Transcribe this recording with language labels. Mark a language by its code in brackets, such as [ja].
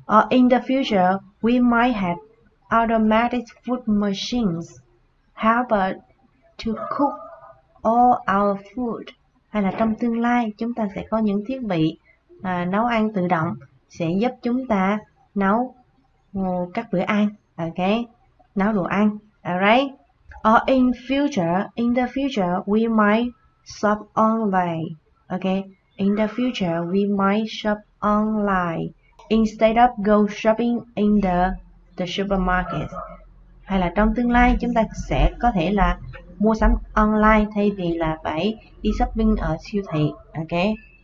[en] In the future, we might have automatic food machines help us to cook all our food. [vi] Hay là trong tương lai, chúng ta sẽ có những thiết bị nấu ăn tự động sẽ giúp chúng ta nấu các bữa ăn, okay? Nấu đồ ăn, alright? [en] Or in the future, we might shop online, okay? In the future, we might shop online instead of go shopping in the supermarket. [vi] Hay là trong tương lai, chúng ta sẽ có thể là mua sắm online thay vì là phải đi shopping ở siêu thị, okay?